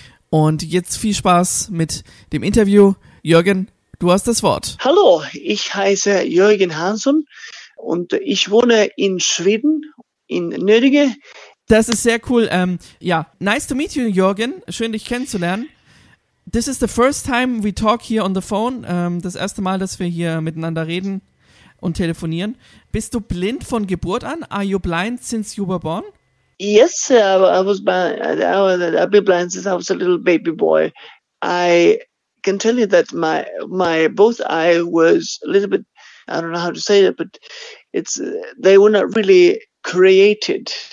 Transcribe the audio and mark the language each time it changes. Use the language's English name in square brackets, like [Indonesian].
[German] Und jetzt viel Spaß mit dem Interview. Jürgen, du hast das Wort. Hallo, ich heiße Jürgen Hansson und ich wohne in Schweden, in Nördinge. Das ist sehr cool. [English] Nice to meet you, [German] Jürgen. Schön, dich kennenzulernen. [English] This is the first time we talk here on the phone. [German] Das erste Mal, dass wir hier miteinander reden und telefonieren. Bist du blind von Geburt an? [English] Are you blind since you were born? Yes, I've been blind since I was a little baby boy. I can tell you that my both eye was a little bit, I don't know how to say it, but it's they were not really created.